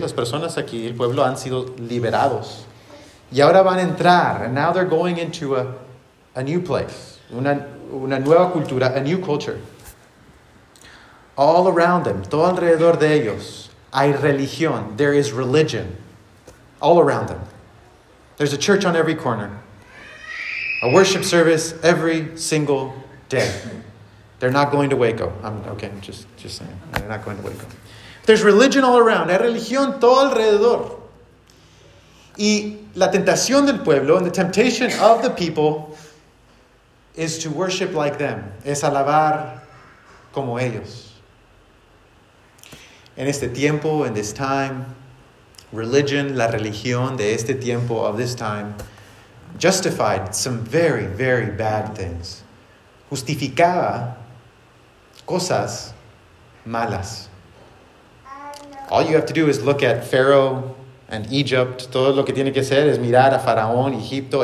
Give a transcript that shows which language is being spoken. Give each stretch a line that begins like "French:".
Spanish: Las personas aquí, el pueblo, han sido liberados. Y ahora van a entrar.
English: And now they're going into a new place.
Spanish: Una nueva cultura,
English: a new culture. All around them,
Spanish: todo alrededor de ellos, hay religión.
English: There is religion. All around them. There's a church on every corner. A worship service every single day. They're not going to Waco. I'm just saying. They're not going to Waco. There's religion all around.
Spanish: Hay religión todo alrededor. Y la tentación del pueblo
English: and the temptation of the people is to worship like them.
Spanish: Es alabar como ellos. En este tiempo,
English: in this time, religion,
Spanish: la religión de este tiempo,
English: of this time, justified some very, very bad things.
Spanish: Justificaba cosas malas.
English: All you have to do is look at Pharaoh and Egypt.
Spanish: Todo lo que tiene que hacer es mirar a Faraón, Egipto.